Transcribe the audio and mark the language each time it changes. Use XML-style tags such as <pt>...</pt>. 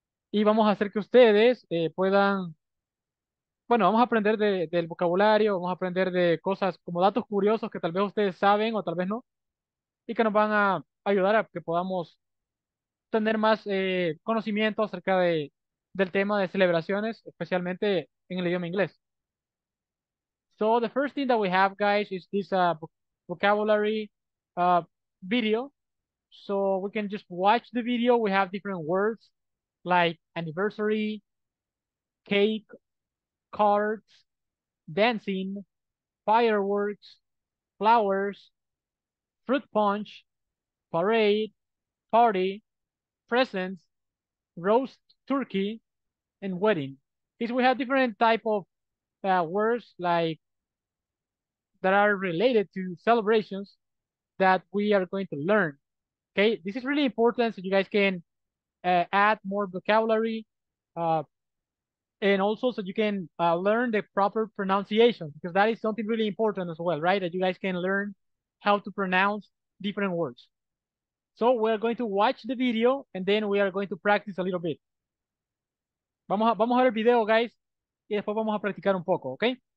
<es>Y vamos a hacer que ustedes puedan... Bueno, vamos a aprender del vocabulario. Vamos a aprender de cosas como datos curiosos que tal vez ustedes saben o tal vez no. Y que nos van a ayudar a que podamos tener más conocimiento acerca del tema de celebraciones, especialmente en el idioma inglés.</es> <en>So the first thing that we have, guys, is this vocabulary video. So we can just watch the video. We have different words like anniversary, cake, cards, dancing, fireworks, flowers, fruit punch, parade, party, presents, roast turkey, and wedding. Because we have different type of words like that are related to celebrations that we are going to learn. Okay, this is really important so you guys can add more vocabulary and also so you can learn the proper pronunciation, because that is something really important as well, right? That you guys can learn how to pronounce different words. So we're going to watch the video and then we are going to practice a little bit.</en> <es>Vamos a ver el video, guys, y después vamos a practicar un poco, okay?</es>